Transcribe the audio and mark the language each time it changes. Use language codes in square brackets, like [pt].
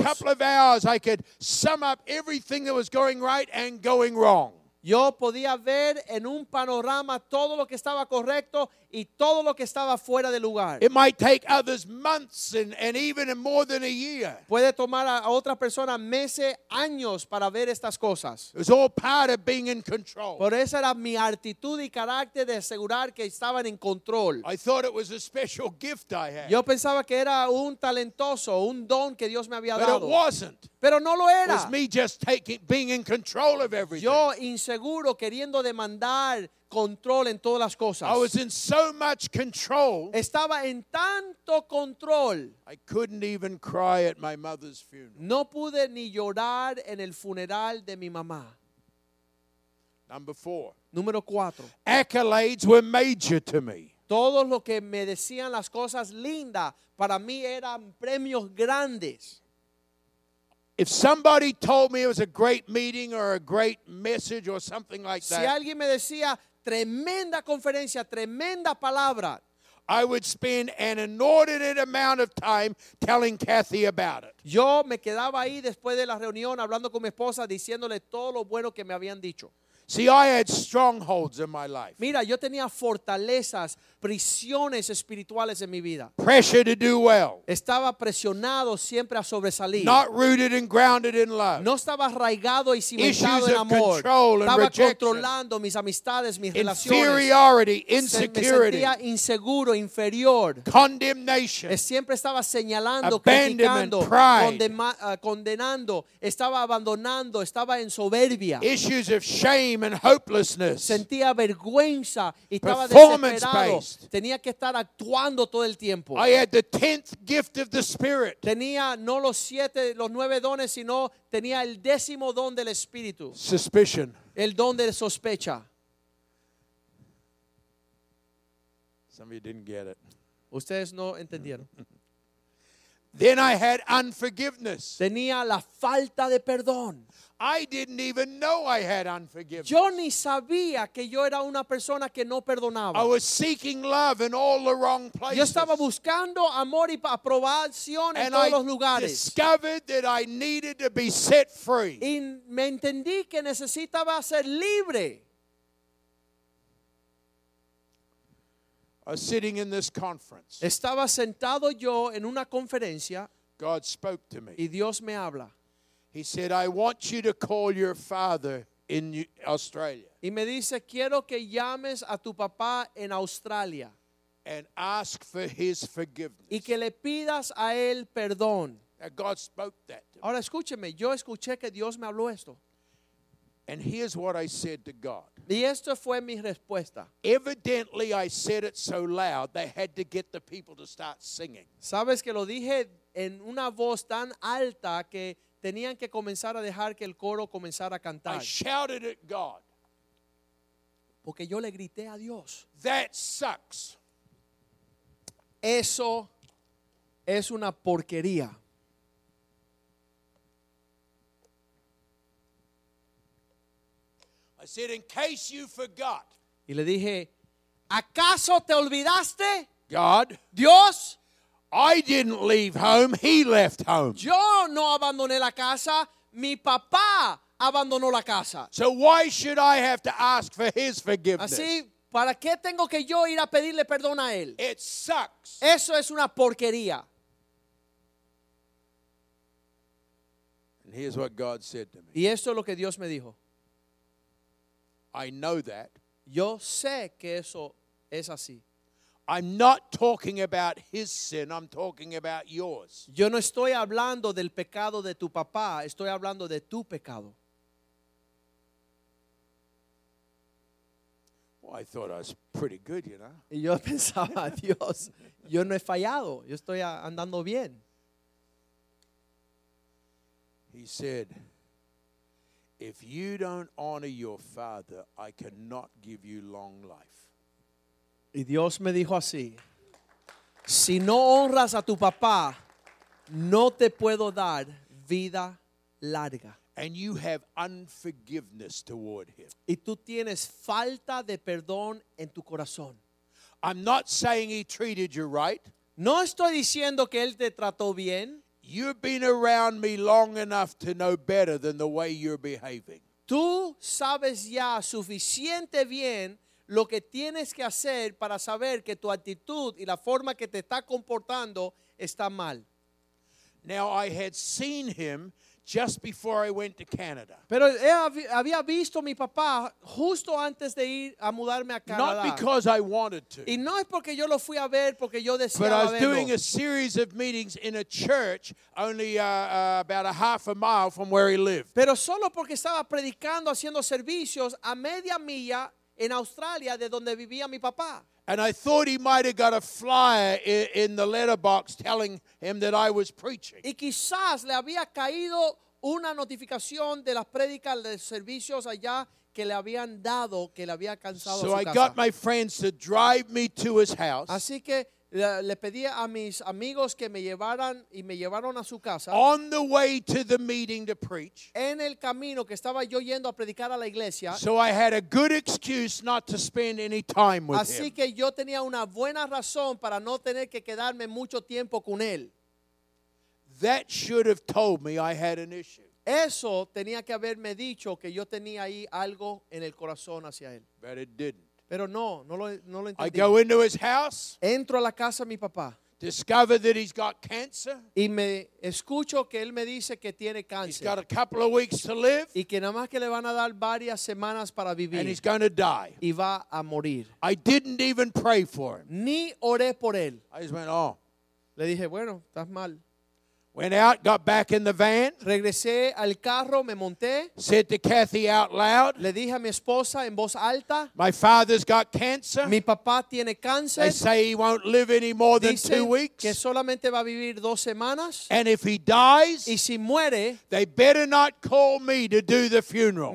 [en] Within a couple of hours, I could sum up everything that was going right and going wrong. [es] Yo podía ver en un panorama todo lo que estaba correcto y todo lo que estaba fuera de lugar. [en] It might take others months and even more than a year. [es] Puede tomar a otra persona meses, años para ver estas cosas. [en] It was all part of being in control. [es] Por eso era mi actitud y carácter de asegurar que estaban en control. [en] I thought it was a special gift I had. [es] Yo pensaba que era un talentoso, un don que Dios me había [en] But [es] dado. [en] But it wasn't. [es] Pero no lo era. [en] It was me just taking, being in control of everything. [es] Yo inseguro, queriendo demandar control en todas las cosas. [en] I was in so much control. [es] Estaba en tanto control. [en] I couldn't even cry at my mother's funeral. [es] No pude ni llorar en el funeral de mi mamá. [en] Number four. [es] Número cuatro. [en] Accolades were major to me. [es] Todos lo que me decían las cosas lindas para mí eran premios grandes. [en] If somebody told me it was a great meeting or a great message or something like that, [es] si alguien me decía tremenda conferencia, tremenda palabra, [en] I would spend an inordinate amount of time telling Kathy about it. [es] Yo me quedaba ahí después de la reunión hablando con mi esposa diciéndole todo lo bueno que me habían dicho. [en] See, I had strongholds in my life. [es] Mira, yo tenía fortalezas, prisiones espirituales en mi vida. [en] Pressure to do well. [es] Estaba presionado siempre a sobresalir. [en] Not rooted and grounded in love. [es] No estaba arraigado y cimentado [en] issues [es] en amor. [en] Issues of control [es] estaba [en] and rejection. [es] Estaba controlando mis amistades, mis [en] inferiority, [es] relaciones. [en] Inferiority, insecurity. [es] Me sentía inseguro, inferior. [en] Condemnation. [es] Siempre estaba señalando, [en] abandonment, [es] criticando, [en] pride. [es] Condenando, estaba abandonando, estaba en soberbia. [en] Issues of shame. And hopelessness. [es] Sentía vergüenza y estaba [en] performance [es] desesperado. [en] Based. [es] Tenía que estar actuando todo el tiempo. [en] I had the tenth gift of the Spirit. [es] Tenía no los siete, los nueve dones, sino tenía el décimo don del Espíritu. [en] Suspicion. [es] El don de sospecha. [en] Some of you didn't get it. [es] Ustedes no entendieron. [en] Then I had unforgiveness. [es] Tenía la falta de perdón. [en] I didn't even know I had unforgiveness. [es] Yo ni sabía que yo era una persona que no perdonaba. [en] I was seeking love in all the wrong places. [es] Yo estaba buscando amor y aprobación en todos los lugares. [en] And I discovered that I needed to be set free. [es] Y me entendí que necesitaba ser libre. [en] I was sitting in this conference. [es] Estaba sentado yo en una conferencia. [en] God spoke to me. [es] Y Dios me habla. [en] He said, "I want you to call your father in Australia." [es] Y me dice, "Quiero que llames a tu papá en Australia." [en] And ask for his forgiveness. [es] Y que le pidas a él perdón. [en] Now God spoke that to me. [es] Ahora escúcheme, yo escuché que Dios me habló esto. [en] And here's what I said to God. [es] Y esto fue mi respuesta. [en] Evidently, I said it so loud they had to get the people to start singing. [es] Sabes que lo dije en una voz tan alta que tenían que comenzar a dejar que el coro comenzara a cantar. [en] I shouted at God. [es] Porque yo le grité a Dios. [en] That sucks. [es] Eso es una porquería. [en] I said, in case you forgot. [es] Y le dije, ¿acaso te olvidaste? [en] God. [es] Dios. [en] I didn't leave home. He left home. [es] Yo no abandoné la casa. Mi papá abandonó la casa. [en] So why should I have to ask for his forgiveness? [es] Así, ¿para qué tengo que yo ir a pedirle perdón a él? [en] It sucks. [es] Eso es una porquería. [en] And here's what God said to me. [es] Y esto es lo que Dios me dijo. [en] I know that. [es] Yo sé que eso es así. [en] I'm not talking about his sin. I'm talking about yours. [es] Yo no estoy hablando del pecado de tu papá. Estoy hablando de tu pecado. [en] Well, I thought I was pretty good, you know. [es] Y yo pensaba, Dios, yo no he fallado. Yo estoy andando bien. [en] He said, if you don't honor your father, I cannot give you long life. [es] Y Dios me dijo así, si no honras a tu papá, no te puedo dar vida larga. [en] And you have unforgiveness toward him. [es] Y tú tienes falta de perdón en tu corazón. [en] I'm not saying he treated you right. [es] No estoy diciendo que él te trató bien. [en] You've been around me long enough to know better than the way you're behaving. [es] Tú sabes ya suficiente bien lo que tienes que hacer para saber que tu actitud y la forma que te está comportando está mal. [en] Now I had seen him just before I went to Canada. [es] Pero había visto mi papá justo antes de ir a mudarme a Canadá. [en] Not because I wanted to. [es] Y no es porque yo lo fui a ver porque yo deseaba [en] I was doing a series of meetings in a church only about a half a mile from where he lived. [es] Pero solo porque estaba predicando, haciendo servicios a media milla en Australia de donde vivía mi papá. [en] And I thought he might have got a flyer in the letterbox telling him that I was preaching. [es] Y quizás le había caído una notificación de las prédicas de servicios allá que le habían dado, que le había alcanzado [en] so [es] a su [en] I [es] casa. [en] Got my friends to drive me to his house. [es] Así que Le pedí a mis amigos que me llevaran y me llevaron a su casa. [en] On the way to the meeting to preach. [es] En el camino que estaba yo yendo a predicar a la iglesia. [en] So I had a good excuse not to spend any time with him. [es] Así que yo tenía una buena razón para no tener que quedarme mucho tiempo con él. [en] That should have told me I had an issue. [es] Eso tenía que haberme dicho que yo tenía ahí algo en el corazón hacia él. [en] But it didn't. [es] Pero no, no lo entendí. [en] I go into his house. [es] Entro a la casa de mi papá. [en] Discover that he's got cancer. [es] Y me escucho que él me dice que tiene cáncer. [en] He's got a couple of weeks to live. [es] Y que nada más que le van a dar varias semanas para vivir. [en] And he's going to die. [es] Y va a morir. [en] I didn't even pray for him. [es] Ni oré por él. [en] I just went, oh. [es] Le dije, bueno, estás mal. [en] Went out, got back in the van. [es] Regresé al carro, me monté. [en] Said to Kathy out loud. [es] Le dije a mi esposa en voz alta. [en] My father's got cancer. [es] Mi papá tiene cáncer. [en] They say he won't live any more than 2 weeks. [es] Que solamente va a vivir dos semanas. [en] And if he dies, [es] y si muere, [en] they better not call me to do the funeral.